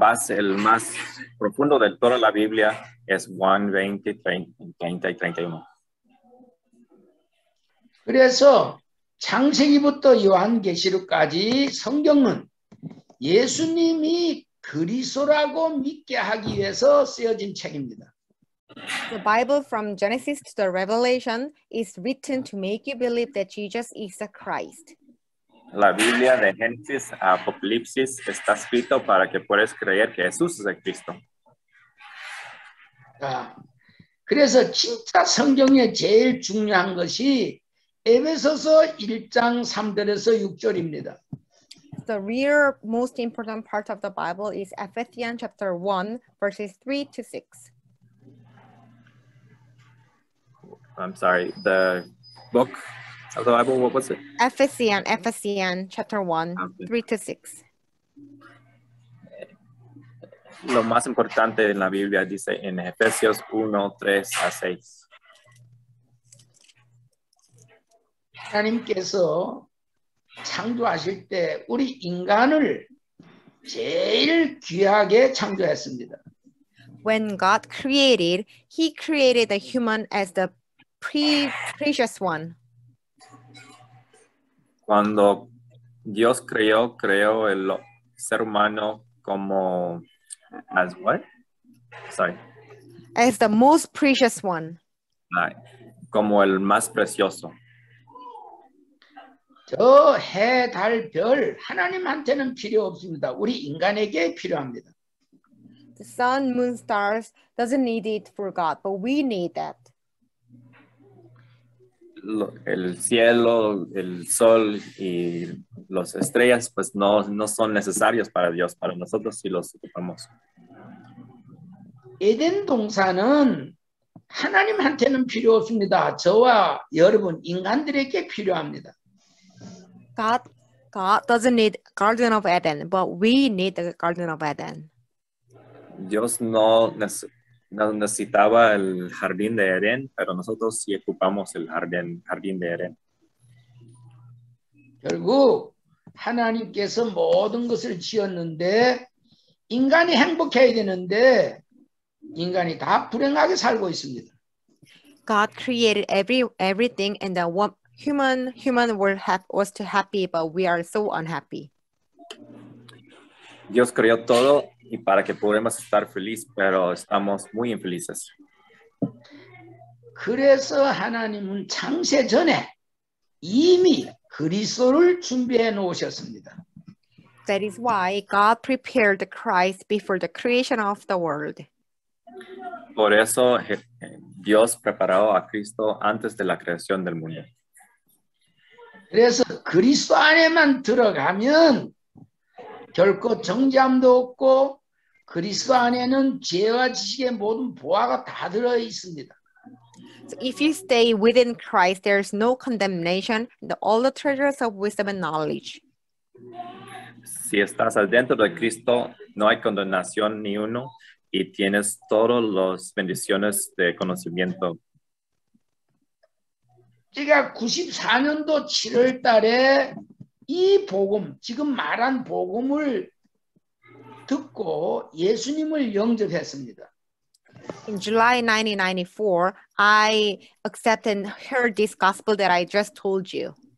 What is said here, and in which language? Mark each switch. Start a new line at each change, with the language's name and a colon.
Spanish: El más profundo de toda la Biblia es Juan 20:30-31.
Korean: 그래서 창세기부터 요한계시록까지 성경은 예수님이 그리스도라고 믿게 하기 위해서 쓰여진 책입니다.
English: The Bible from Genesis to the Revelation is written to make you believe that Jesus is the Christ.
Spanish: La Biblia de Génesis a Apocalipsis está escrito para que puedas creer que Jesús es el Cristo.
Korean: 자, 그래서 진짜 성경의 제일 중요한 것이 에베소서 1장 3절에서 6절입니다.
English: The real most important part of the Bible is Ephesians chapter 1 verses 3 to 6. I'm sorry, the book of the Bible, what was it? Ephesians chapter 1, 3 to 6.
Spanish: Lo más importante en la Biblia dice en Efesios 1, 3 a 6.
Korean: 하나님께서 창조하실 때 우리 인간을 제일 귀하게 창조했습니다.
English: When God created, He created the human as the precious one.
Spanish: Cuando Dios creó el ser humano como
English: as what? Sorry. As the most precious one.
Spanish: Ay, como el más precioso.
Korean: 저 해, 달, 별 하나님한테는 필요 없습니다. 우리 인간에게 필요합니다.
English: The sun, moon, stars doesn't need it for God, but we need that.
Spanish: El cielo, el sol y las estrellas pues no son necesarios para Dios, para nosotros sí los ocupamos.
Korean: Eden 동산은 하나님한테는 필요 없습니다. 저와 여러분 인간들에게 필요합니다.
English: God doesn't need Garden of Eden, but we need the Garden of Eden.
Spanish: Dios no necesitaba el jardín de Edén, pero nosotros sí ocupamos el jardín de Edén.
Korean: 결국 하나님께서 모든 것을 지었는데 인간이 행복해야 되는데 인간이 다 불행하게 살고 있습니다.
English: God created everything and the one Human world was too happy, but we are so unhappy.
Spanish: Dios creó todo y para que podamos estar feliz, pero estamos muy infelices.
Korean: 그래서 하나님은 창세 전에 이미 그리스도를 준비해 놓으셨습니다.
English: That is why God prepared Christ before the creation of the world.
Spanish: Por eso Dios preparó a Cristo antes de la creación del mundo.
Korean: 그래서 그리스도 안에만 들어가면 결코 정죄함도 없고 그리스도 안에는 지혜와 지식의 모든 보화가 다 들어 있습니다.
English: So if you stay within Christ, there is no condemnation, and all the treasures of wisdom and knowledge.
Spanish: Si estás adentro de Cristo, no hay condenación ni uno, y tienes todas las bendiciones de conocimiento.
Korean: 제가 94년도 7월 달에 이 복음, 지금 말한 복음을 듣고 예수님을 영접했습니다.
English: In July 1994, I accepted and heard this gospel that I just told you.